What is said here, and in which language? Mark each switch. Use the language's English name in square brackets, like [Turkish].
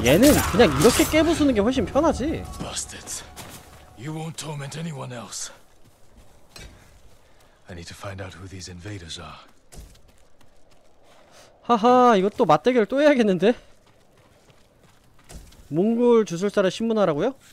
[Korean] 얘는 그냥 이렇게 깨부수는 게 훨씬 편하지. [English] You won't torment anyone else. I need to find out who these invaders are. [Korean] 하하, 이것도 맞대결 또 해야겠는데? 몽골 주술사를 신문하라고요?